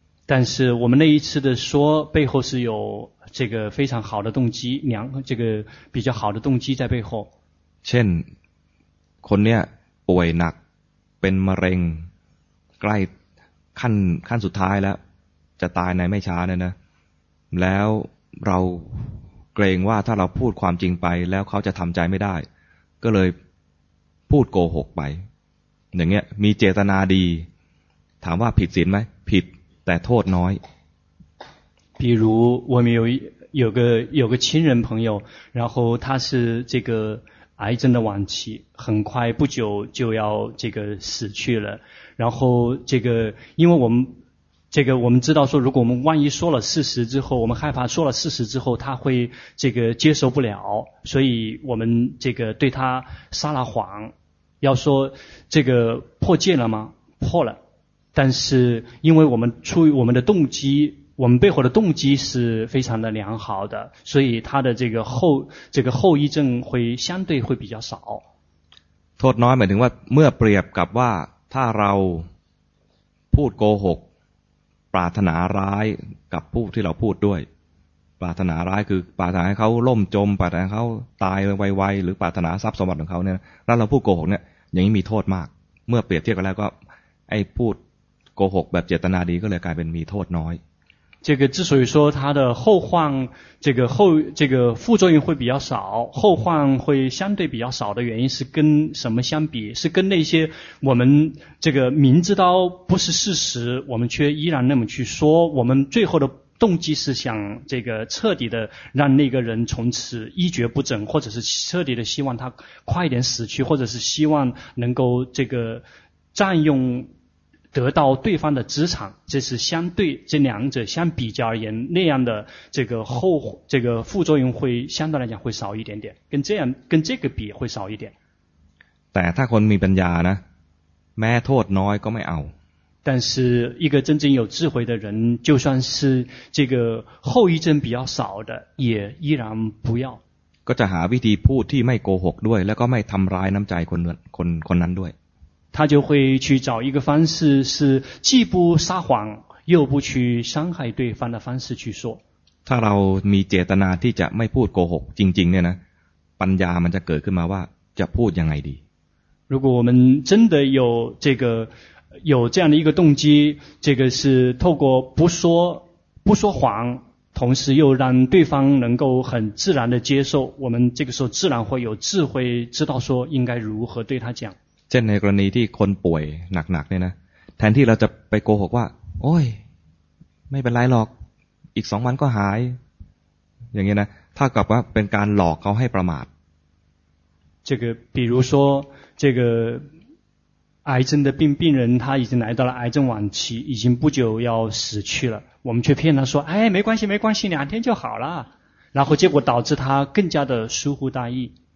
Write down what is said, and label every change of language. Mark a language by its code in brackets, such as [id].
[zh] 但是我们那一次的说背后是有这个非常好的动机良这个比较好的动机在背后 [th] เช่นคนเนี้ยป่วยหนักเป็นมะเร็งใกล้ขั้นสุดท้ายแล้วจะตายในไม่ช้าเนี่ยนะแล้วเราเกรงว่าถ้าเราพูดความจริงไปแล้วเขาจะทำใจไม่ได้ก็เลยพูดโกหกไปอย่างเงี้ยมีเจตนาดีถามว่าผิดศีลไหมผิดแต่โทษน้อย [zh] 比如我们有个亲人朋友然后他是这个癌症的晚期很快不久就要这个死去了然后这个因为我们知道说如果我们万一说了事实之后我们害怕说了事实之后他会这个接受不了所以我们这个对他撒了谎要说这个破戒了吗破了但是因为我们出于我们的动机我们背后的动机是非常的良好的所以他的这个后遗症会相对会比较少 [th] โทษน้อยหมายถึงว่าเมื่อเปรียบกับว่าถ้าเราพูดโกหกปรารถนาร้ายกับผู้ที่เราพูดด้วยปรารถนาร้ายคือปรารถนาให้เขาล่มจมปรารถนาเขาตายไวๆหรือปรารถนาทรัพย์สมบัติของเขาเนี่ยถ้าเราพูดโกหกเนี่ยอย่างนี้มีโทษมากเมื่อเปรียบเทียบกันแล้วก็ไอ้พูดโกหกแบบเจตนาดีก็เลยกลายเป็นมีโทษน้อย [zh] 这个之所以说它的后患这个副作用会比较少后患会相对比较少的原因是跟什么相比是跟那些我们这个明知道不是事实我们却依然那么去说我们最后的动机是想这个彻底的让那个人从此一蹶不振或者是彻底的希望他快一点死去或者是希望能够这个占用得到对方的资产这是相对这两者相比较而言那样的这个副作用会相对来讲会少一点点跟这个比会少一点 [th] แต่ถ้าคนมีปัญญานะแม้โทษน้อยก็ไม่เอา [zh] 但是一个真正有智慧的人就算是这个后遗症比较少的也依然不要 [th] ก็จะหาวิธีพูดที่ไม่โกหกด้วยแล้วก็ไม่ทำร้ายน้ำใจคนนั้นด้วย [zh] 他就会去找一个方式是既不撒谎又不去伤害对方的方式去说 [th] ถ้าเรามีเจตนาที่จะไม่พูดโกหกจริงๆเนี่ยนะปัญญามันจะเกิดขึ้นมาว่าจะพูดยังไงดี [zh] 如果我们真的有这个有这样的一个动机这个是透过不说谎同时又让对方能够很自然的接受我们这个时候自然会有智慧知道说应该如何对他讲 [th] เช่นในกรณีที่คนป่วยหนักๆเนี่ยนะแทนที่เราจะไปโกหกว่าโอ้ยไม่เป็นไรหรอกอีก2วันก็หายอย่างเงี้ยนะถ้ากลับว่าเป็นการหลอกเขาให้ประมาท [zh] 这个比如说这个癌症的病人他已经来到了癌症晚期已经不久要死去了我们却骗他说哎没关系两天就好了然后结果导致他更加的疏忽大意